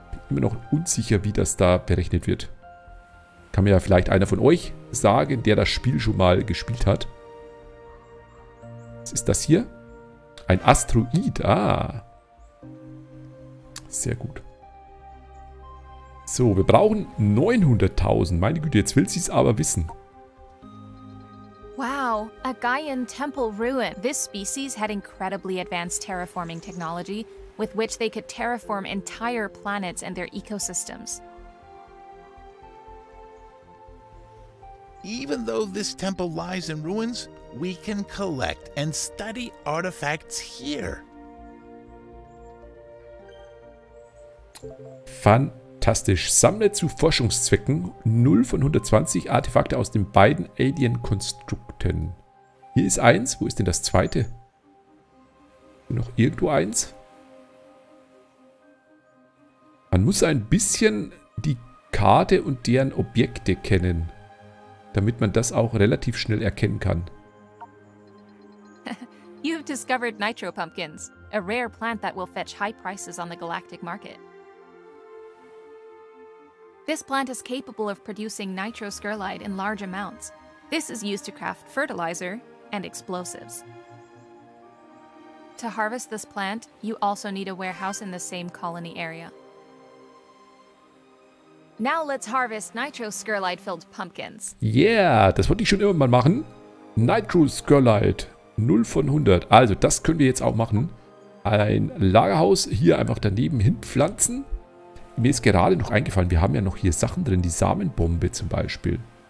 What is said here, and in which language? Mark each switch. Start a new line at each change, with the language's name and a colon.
German: Immer noch unsicher, wie das da berechnet wird. Kann mir ja vielleicht einer von euch sagen, der das Spiel schon mal gespielt hat. Was ist das hier? Ein Asteroid, ah. Sehr gut. So, wir brauchen 900.000. Meine Güte, jetzt will sie es aber wissen.
English: Wow, a Gaian temple ruin. This species had incredibly advanced terraforming technology, with which they could terraform entire planets and their ecosystems. Even though this temple lies in ruins, we can collect and study artifacts here.
German: Fantastisch. Sammle zu Forschungszwecken 0 von 120 Artefakte aus den beiden Alien-Konstrukten. Hier ist eins. Wo ist denn das zweite? Noch irgendwo eins? Man muss ein bisschen die Karte und deren Objekte kennen, damit man das auch relativ schnell erkennen kann.
English: You have discovered nitro pumpkins, a rare plant that will fetch high prices on the galactic market. This plant is capable of producing nitroscurlide in large amounts. This is used to craft fertilizer and explosives. To harvest this plant, you also need a warehouse in the same colony area. Now let's harvest nitroscurlide filled pumpkins.
German: Yeah, das wollte ich schon immer mal machen. Nitroscurlide 0 von 100. Also, das können wir jetzt auch machen. Ein Lagerhaus hier einfach daneben hinpflanzen. Mir ist gerade noch eingefallen, wir haben ja noch hier Sachen drin, die Samenbombe zum Beispiel.